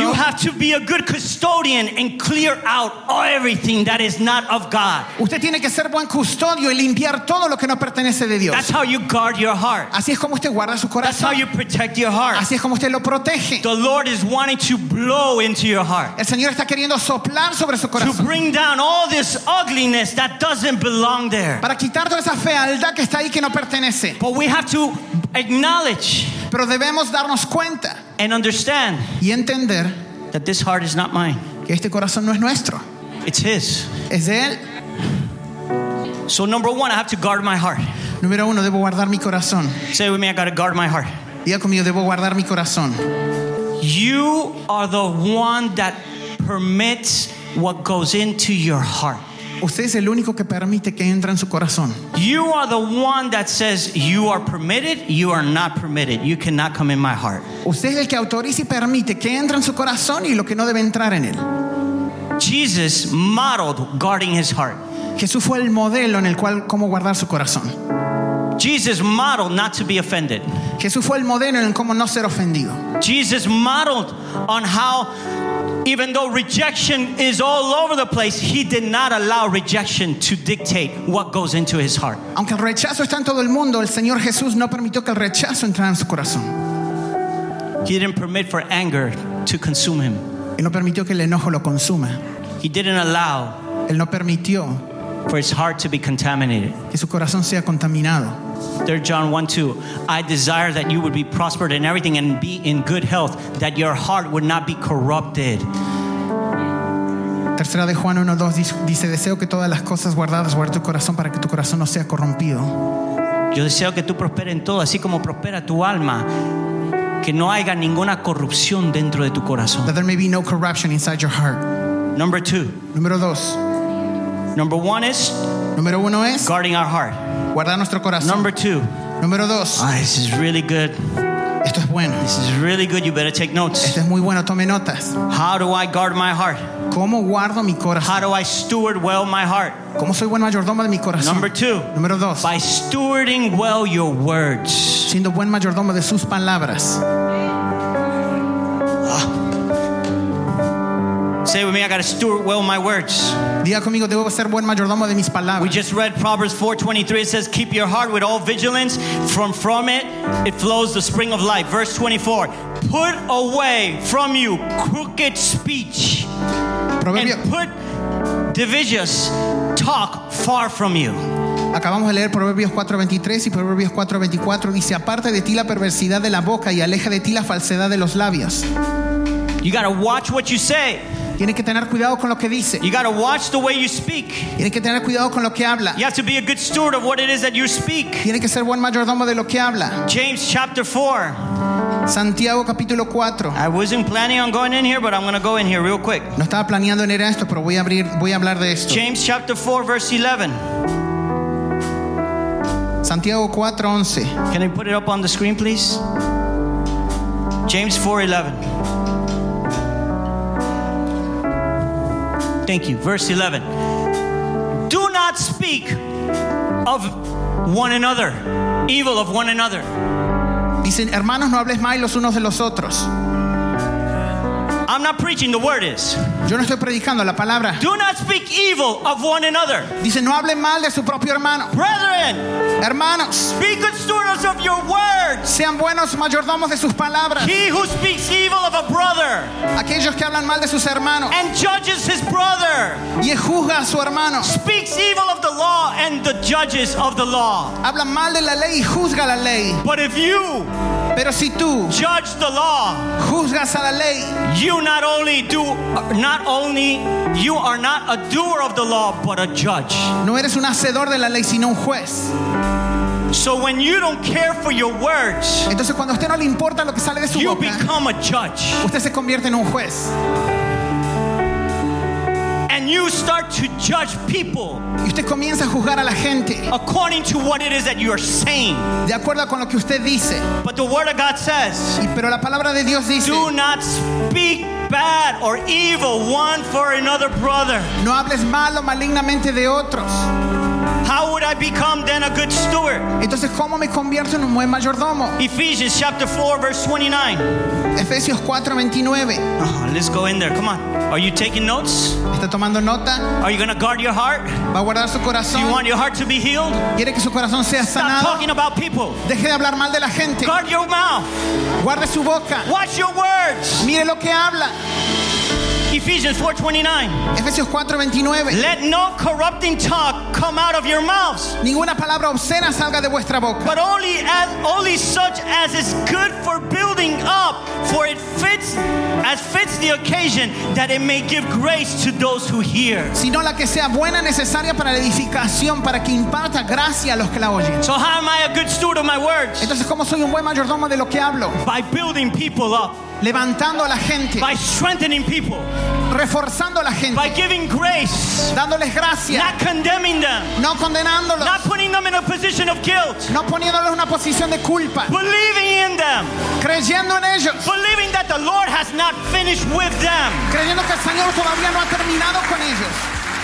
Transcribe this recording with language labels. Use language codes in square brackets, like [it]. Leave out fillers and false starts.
[en] you have to be a good custodian and clear out everything that is not of God. [es] Usted tiene que ser buen custodio y limpiar todo lo que no pertenece de Dios. [en] That's how you guard your heart. [es] Así es como usted guarda su corazón. [en] That's how you protect your heart. [es] Así es como usted lo protege. [en] The Lord is wanting to blow into your heart. [es] El Señor está queriendo soplar sobre su corazón. [en] To bring down all this ugliness that doesn't belong there. [es] Para quitar toda esa fealdad que está ahí que no pertenece. [en] But we have to acknowledge. [es] Pero debemos darnos cuenta. [en] And understand. [es] Y entender. [en] That this heart is not mine. [es] Que este corazón no es nuestro. [en] It's His. [es] Es de él. [en] So number one, I have to guard my heart. [es] Número uno, debo guardar mi corazón. [en] Say with me, I gotta guard my heart. [es] Diga conmigo, debo guardar mi corazón. [en] You are the one that permits what goes into your heart. [es] Usted es el único que permite que entre en su corazón. [en] You are the one that says you are permitted, you are not permitted, you cannot come in my heart. [es] Usted es el que autoriza y permite que entre en su corazón y lo que no debe entrar en él. [en] Jesus modeled guarding his heart. [es] Jesús fue el modelo en el cual cómo guardar su corazón. [en] Jesus modeled not to be offended. [es] Jesús fue el modelo en cómo no ser ofendido. [en] Jesus modeled on how, even though rejection is all over the place, he did not allow rejection to dictate what goes into his heart. [es] Aunque el rechazo está en todo el mundo, el Señor Jesús no permitió que el rechazo entrara en su corazón. [en] He didn't permit for anger to consume him. [es] Él no permitió que el enojo lo consuma. [en] He didn't allow. [es] Él no permitió. [en] For his heart to be contaminated. [es] Que su corazón sea contaminado. [en] 3 John 1:2. I desire that you would be prospered in everything and be in good health, that your heart would not be corrupted. [es] Tercera de Juan 1:2 dice, deseo que todas las cosas guardadas guarde tu corazón para que tu corazón no sea corrompido. Yo deseo que tú prosperes en todo, así como prospera tu alma. Que no haya ninguna corrupción dentro de tu corazón. [en] That there may be no corruption inside your heart. Number 2. [es] Número 2. [en] Number one is, [es] número uno es, [en] guarding our heart. [es] Guardar nuestro corazón. [en] Number two, [es] número dos. [en] Oh, this is really good. [es] Esto es bueno. [en] This is really good. You better take notes. [es] Esto es muy bueno. Tome notas. [en] How do I guard my heart? [es] ¿Cómo guardo mi corazón? [en] How do I steward well my heart? [es] ¿Cómo soy buen mayordomo de mi corazón? [en] Number two, [es] número dos. [en] By stewarding well your words. [es] Siendo buen mayordomo de sus palabras. [en] Say with me, I got to steward well my words. [es] Diga conmigo, debo ser buen mayordomo de mis palabras. [en] We just read Proverbs 4:23. It says, keep your heart with all vigilance. From it, it flows the spring of life. Verse 24, put away from you crooked speech. [es] Proverbio. [en] And put divisious talk far from you. [es] Acabamos de leer Proverbios 4:23 y Proverbios 4:24. Dice, aparte de ti la perversidad de la boca y aleja de ti la falsedad de los labios. [en] You got to watch what you say. [es] Tiene que tener cuidado con lo que dice. [en] You got to watch the way you speak. [es] Tiene que tener cuidado con lo que habla. [en] You have to be a good steward of what it is that you speak. [es] Tiene que ser buen mayordomo de lo que habla. [en] James chapter 4. [es] Santiago capítulo 4. [en] I wasn't planning on going in here, but I'm going to go in here real quick. [es] No estaba planeando en ir a esto, pero voy a hablar de esto. [en] James chapter 4 verse 11. [es] Santiago 4:11. [en] Can you put it up on the screen, please? James 4:11. Thank you. Verse 11. Do not speak of one another, evil of one another. [es] Dicen, hermanos, no hables mal los unos de los otros. [en] I'm not preaching, the word is. [es] Yo no estoy predicando, la palabra. [en] Do not speak evil of one another. [es] Dice, no hablen mal de su propio hermano. [en] Brethren, [es] hermanos, [en] be good stewards of your words. [es] Sean buenos mayordomos de sus palabras. [en] He who speaks evil of a brother, [es] aquellos que hablan mal de sus hermanos, [en] and judges his brother, [es] y juzga a su hermano, [en] speaks evil of the law and the judges of the law. [es] Habla mal de la ley y juzga la ley. [en] But if you, [es] pero si tú, [en] judge the law, [es] juzgas a la ley, [en] you not only do, not only you are not a doer of the law, but a judge. [es] No eres un hacedor de la ley, sino un juez. [en] So when you don't care for your words, [es] entonces cuando a usted no le importa lo que sale de su boca, [en] you become a judge. [es] Usted se convierte en un juez. [en] You start to judge people. [es] Y usted comienza a juzgar a la gente. [en] According to what it is that you are saying. [es] De acuerdo con lo que usted dice. [en] But the word of God says. [es] Y pero la palabra de Dios dice. [en] Do not speak bad or evil one for another brother. [es] No hables mal o malignamente de otros. [en] How would I become then a good steward? [es] Entonces, ¿cómo me convierto en un buen mayordomo? [en] Ephesians chapter 4 verse 29. [es] Efesios 4:29. [en] Oh, let's go in there. Come on. Are you taking notes? [es] ¿Está tomando nota? [en] Are you going to guard your heart? [es] ¿Va a guardar su corazón? [en] Do you want your heart to be healed? [es] ¿Quiere que su corazón sea sanado? [en] Stop talking about people. [es] Deje de hablar mal de la gente. [en] Guard your mouth. [es] Guarde su boca. [en] Watch your words. [es] Mire lo que habla. [en] Ephesians 4:29. [es] Efesios 4:29. [en] Let no corrupting talk come out of your mouths. [es] Ninguna palabra obscena salga de vuestra boca. [en] But only as only such as is good for building up, for it fits as fits the occasion, that it may give grace to those who hear. [es] Sino la que sea buena, necesaria para la edificación, para que imparta gracia a los que la oyen. [en] So how am I a good steward of my words? [es] Entonces, ¿cómo soy un buen mayordomo de lo que hablo? [en] By building people up. [es] Levantando a la gente. [en] By strengthening people. [es] Reforzando a la gente. [en] By giving grace. [es] Dándoles gracia. [en] Not condemning them. [es] No condenándolos. [en] Not putting them in a position of guilt. [es] No poniéndolos en una posición de culpa. [en] Believing in them. [es] Creyendo en ellos. [en] Believing that the Lord has not finished with them. [es] Creyendo que el Señor todavía no ha terminado con ellos.